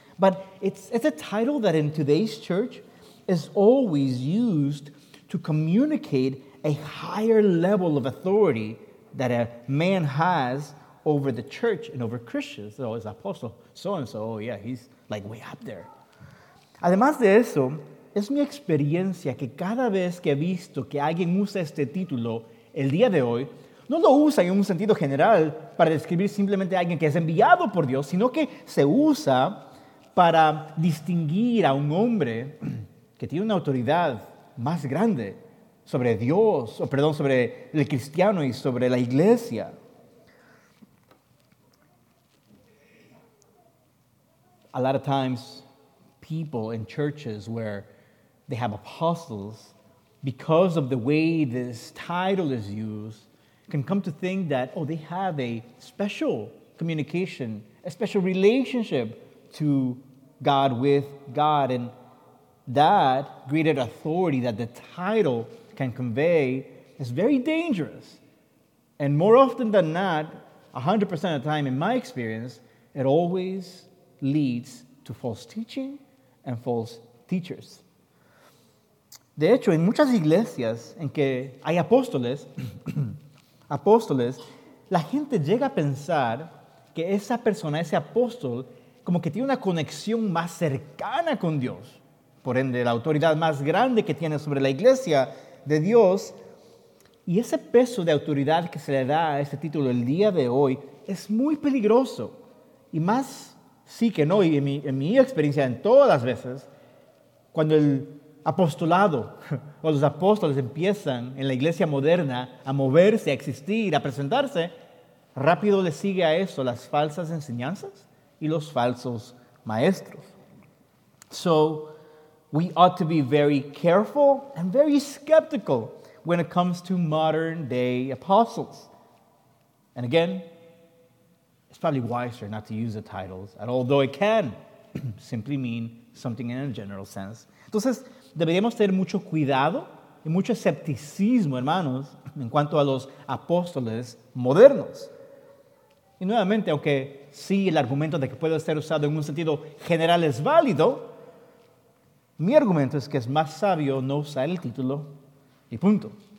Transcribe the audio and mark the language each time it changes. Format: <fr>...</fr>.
<en>But it's a title that in today's church is always used to communicate a higher level of authority that a man has over the church and over Christians. So it's apostle so-and-so, oh yeah, he's like way up there.</en> <es>Además de eso, es mi experiencia que cada vez que he visto que alguien usa este título el día de hoy, no lo usa en un sentido general para describir simplemente a alguien que es enviado por Dios, sino que se usa para distinguir a un hombre que tiene una autoridad más grande sobre Dios, o perdón, sobre el cristiano y sobre la iglesia.</es> <en>A lot of times, people in churches where they have apostles, because of the way this title is used, can come to think that, oh, they have a special communication, a special relationship to God, with God, and that greater authority that the title can convey is very dangerous. And more often than not, 100% of the time in my experience, it always leads to false teaching and false teachers.</en> <es>De hecho, en muchas iglesias en que hay apóstoles, apóstoles, la gente llega a pensar que esa persona, ese apóstol, como que tiene una conexión más cercana con Dios, por ende, la autoridad más grande que tiene sobre la iglesia de Dios. Y ese peso de autoridad que se le da a este título el día de hoy es muy peligroso. Y más sí que no, y en mi experiencia, en todas las veces, cuando el apostolado o los apóstoles empiezan en la iglesia moderna a moverse, a existir, a presentarse, rápido le sigue a eso las falsas enseñanzas y los falsos maestros.</es> <en>So, we ought to be very careful and very skeptical when it comes to modern day apostles. And again, it's probably wiser not to use the titles, although it can simply mean something in a general sense.</en> <es>Entonces, deberíamos tener mucho cuidado y mucho escepticismo, hermanos, en cuanto a los apóstoles modernos. Y nuevamente, aunque sí el argumento de que puede ser usado en un sentido general es válido, mi argumento es que es más sabio no usar el título y punto.</es>